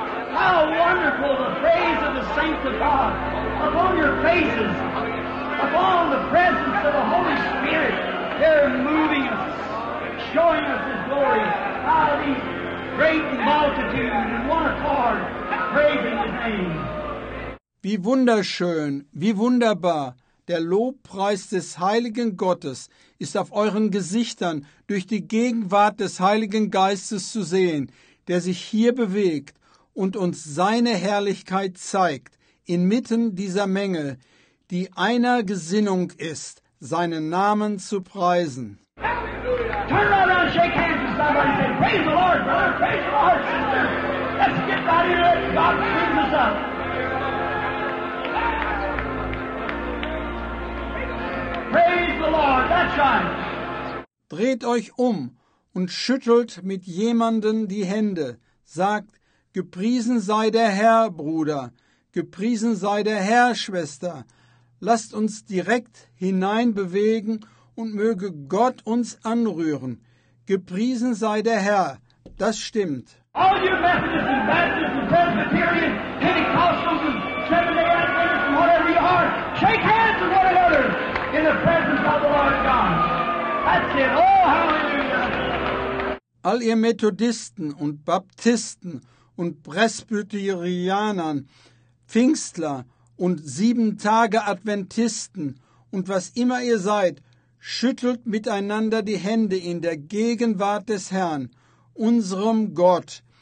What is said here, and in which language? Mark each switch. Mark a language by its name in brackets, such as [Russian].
[English] How wonderful the praise of the saints of God upon your faces! Upon the presence of the Holy Spirit, they're moving us, showing us His glory out of these great multitudes in one accord, praising His name. [German] Wie wunderschön, wie wunderbar! Der Lobpreis des Heiligen Gottes ist auf euren Gesichtern durch die Gegenwart des Heiligen Geistes zu sehen, der sich hier bewegt und uns seine Herrlichkeit zeigt inmitten dieser Menge, die einer Gesinnung ist, seinen Namen zu preisen. [English] Turn around and shake hands with somebody. Say, praise the Lord, brother. Praise the Lord, sister. Let's get right here. Let God clean us up. Praise the Lord. That's right. [German] Dreht euch um und schüttelt mit jemandem die Hände. Sagt, gepriesen sei der Herr, Bruder. Gepriesen sei der Herr, Schwester. Lasst uns direkt hineinbewegen und möge Gott uns anrühren. Gepriesen sei der Herr. Das stimmt. [English] All you Methodists and Baptists and Presbyterians, Pentecostals and Seventh-day Adventists and whatever you are, shake hands with one another in the presence of the Lord God. That's it. Oh, hallelujah. [German] All ihr Methodisten und Baptisten und Presbyterianern, Pfingstler, und sieben Tage Adventisten und was immer ihr seid, schüttelt miteinander die Hände in der Gegenwart des Herrn, unserem Gott.